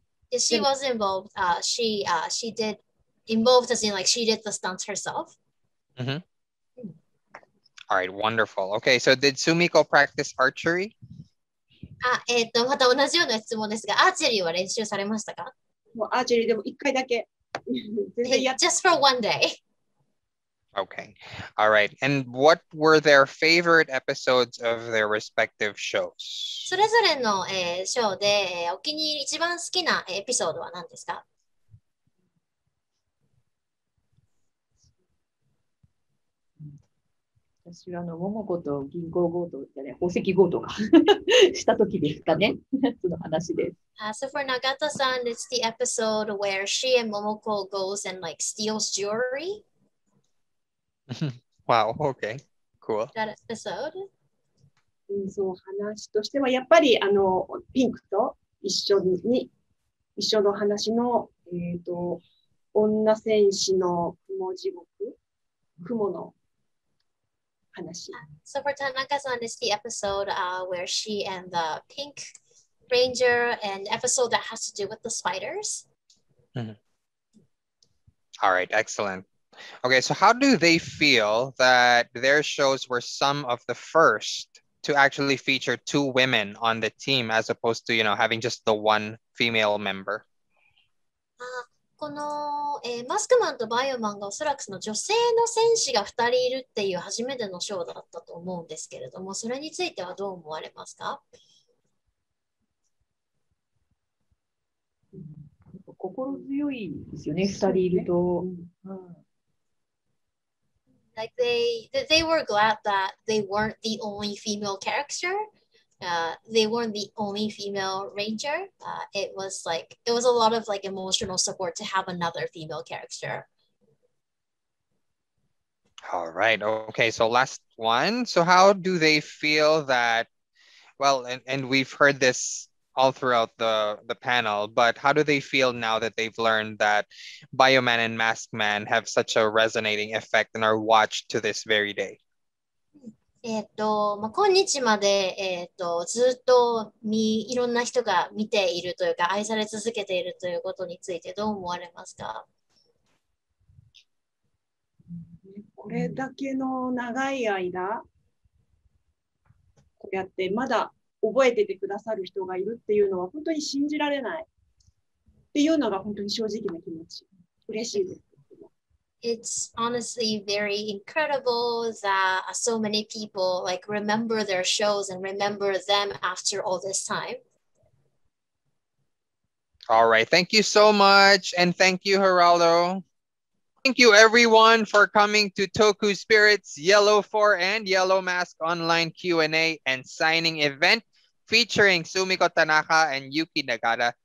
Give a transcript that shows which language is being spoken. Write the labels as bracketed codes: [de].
[en] She was involved. She did involved as in like she did the stunts herself. Mm-hmm. All right, wonderful. Okay, so did Sumiko practice archery? [ja] また同じような質問ですが、アーチェリーは練習されましたか？もうアーチェリーでも1回だけ。 [en] Just for one day. Okay. All right. And what were their favorite episodes of their respective shows? [ja] それぞれの、ショーで、お気に入り一番好きなエピソードは何ですか？私はあのモモコと銀行強盗じゃね、宝石強盗かした時ですかね、その話です。 [en] So for Nagata-san, it's the episode where she and Momoko goes and like steals jewelry. Wow, okay, cool. That episode. [ja] そう、話としてはやっぱりあのピンクと一緒に一緒の話の、女戦士の雲地獄、雲の話。 [en] So for Tanaka-san, it's the episode where she and the pink ranger, an episode that has to do with the spiders. Mm-hmm. All right, excellent. Okay, so how do they feel that their shows were some of the first to actually feature two women on the team as opposed to, you know, having just the one female member? [ja] この、マスクマンとバイオマンがおそらくその女性の戦士が2人いるっていう初めてのショーだったと思うんですけれども、それについてはどう思われますか？心強いですよね、2人いると。 [en] Like they were glad that they weren't the only female character. They weren't the only female ranger. It was like it was a lot of like emotional support to have another female character. All right. Okay. So last one. So how do they feel that? Well, and we've heard this all throughout the panel, but how do they feel now that they've learned that Bioman and Maskman have such a resonating effect and are watched to this very day? [ja] まあ、今日まで、ずっと見いろんな人が見ているというか愛され続けているということについてどう思われますか？これだけの長い間こうやってまだ覚えててくださる人がいるっていうのは本当に信じられないっていうのが本当に正直な気持ち、嬉しいです。 [en] It's honestly very incredible that so many people like remember their shows and remember them after all this time. All right. Thank you so much. And thank you, Geraldo. Thank you, everyone, for coming to TokuSpirits Yellow 4 and Yellow Mask online Q&A and signing event featuring Sumiko Tanaka and Yuki Nagata.